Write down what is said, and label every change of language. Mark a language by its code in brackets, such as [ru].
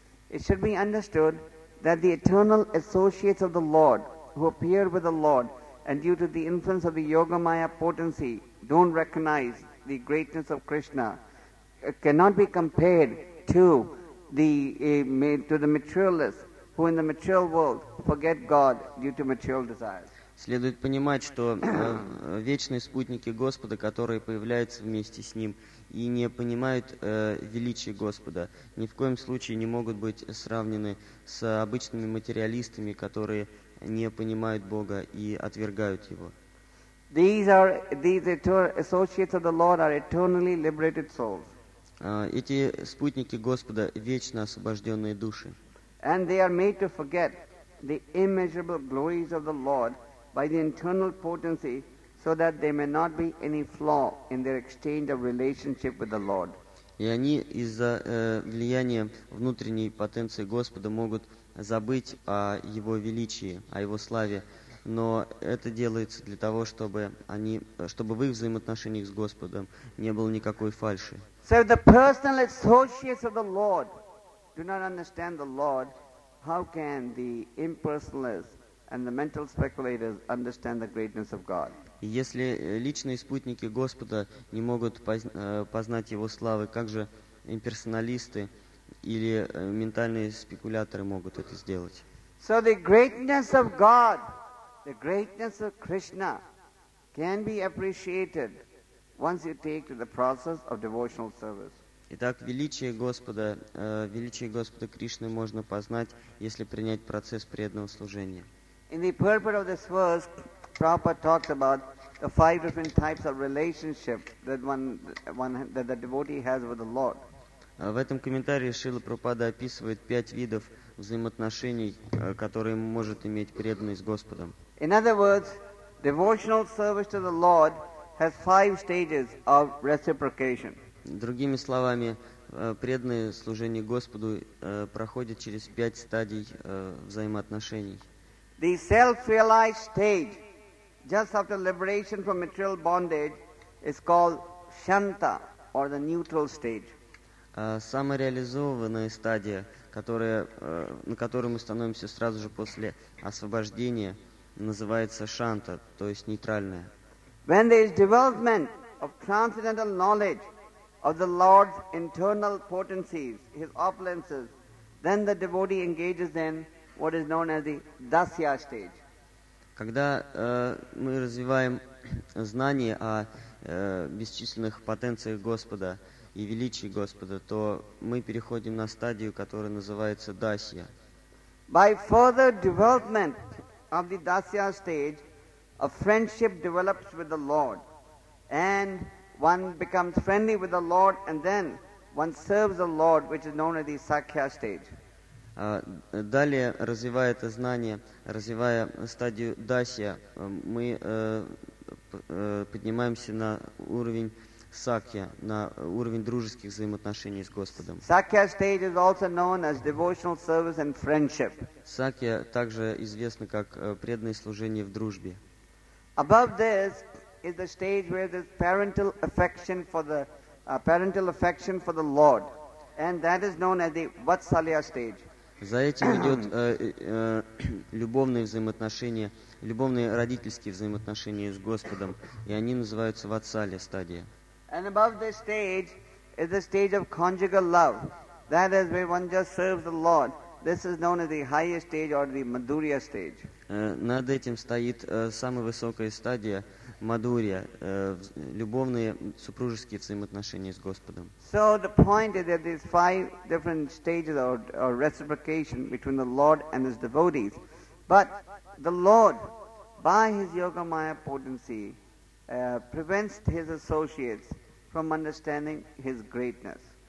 [en] It should be understood that the eternal associates of the Lord who appear with the Lord and due to the influence of the Yogamaya potency don't recognize the greatness of Krishna cannot be compared to the materialists who in the material world forget God due to material desires. [ru] Следует понимать, что вечные спутники Господа, которые появляются вместе с Ним и не понимают величия Господа, ни в коем случае не могут быть сравнены с обычными материалистами, которые не понимают Бога и отвергают Его. Эти спутники Господа – вечно освобожденные души. [en] And they are made to forget the immeasurable glories of the Lord by the internal potency, so that there may not be any flaw in their exchange of relationship with the Lord. [ru] И они из-за влияния внутренней потенции Господа могут забыть о Его величии, о Его славе, но это делается для того, чтобы в их взаимоотношениях с Господом не было никакой фальши. [en] So the personal associates of the Lord do not understand the Lord, how can the impersonalists and the mental speculators understand the greatness of God? [ru] Если личные спутники Господа не могут познать Его славы, как же имперсоналисты или ментальные спекуляторы могут это сделать? [en] So the greatness of God, the greatness of Krishna can be appreciated once you take to the process of devotional service. [ru] Итак, величие Господа Кришны можно познать, если принять процесс преданного служения. [en] In the purport of this verse, Prabhupada talks about the five different types of relationship that one that the devotee has with the Lord. [ru] В этом комментарии Шрила Прабхупада описывает пять видов взаимоотношений, которые может иметь преданный с Господом. [en] In other words, devotional service to the Lord has five stages of reciprocation. [ru] Другими словами, преданное служение Господу проходит через пять стадий взаимоотношений. [en] The self-realized stage, just after liberation from material bondage, is called shanta, or the neutral stage. [ru] Самореализованная стадия, на которую мы становимся сразу же после освобождения, называется шанта, то есть нейтральная. [en] When there is development of transcendental knowledge of the Lord's internal potencies, His opulences, then the devotee engages in what is known as the dasya stage. [ru] Когда мы развиваем знание о бесчисленных потенциях Господа и величии Господа, то мы переходим на стадию, которая называется дасья. [en] By further development of the dasya stage, a friendship develops with the Lord, and one becomes friendly with the Lord, and then one serves the Lord, which is known as the Sakya stage. [ru] Далее, развивая это знание, развивая стадию Дасья, мы поднимаемся на уровень Сакья, на уровень дружеских взаимоотношений с Господом. [en] Sakya stage is also known as devotional service and friendship. [ru] Сакья также известна как преданное служение в дружбе. [en] Above this is the stage where there's parental affection for the Lord, and that is known as the Vatsalya stage. [ru] За этим идет любовные взаимоотношения, любовные родительские взаимоотношения с Господом, и они называются Vatsalya стадия. [en] And above this stage is the stage of conjugal love, that is where one just serves the Lord. This is known as the highest stage or the Madhurya stage. [ru] Над этим стоит самая высокая стадия Мадурия, любовные супружеские взаимоотношения с Господом. [en] So the point is that there's five different stages of reciprocation between the Lord and His devotees. But the Lord, by His Yogamaya potency, prevents His associates from understanding His greatness.